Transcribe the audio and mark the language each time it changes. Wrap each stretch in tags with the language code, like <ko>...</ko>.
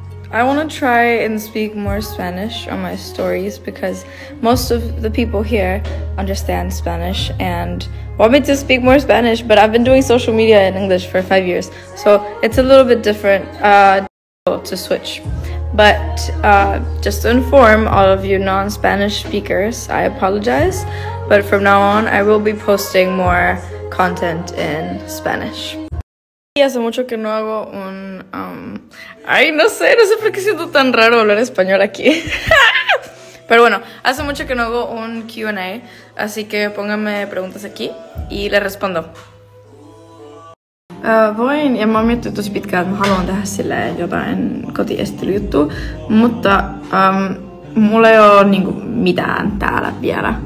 <en>I want to try and speak more Spanish on my stories because most of the people here understand Spanish and want me to speak more Spanish, but I've been doing social media in English for 5 years, so it's a little bit different to switch. But just to inform all of you non-Spanish speakers, I apologize, but from now on I will be posting more content in Spanish.</en> <es>Y hace mucho que no hago un ay, no sé por qué siento tan raro hablar español aquí. Pero bueno, hace mucho que no hago un Q&A, así que pónganme preguntas aquí y les respondo.</es> <fi>Voin ja mä oon miettinyt tosi pitkään, että mä haluan tehdä silleen jotain kotiestelyjuttua, mutta mulla ei ole niinku mitään täällä vielä.</fi>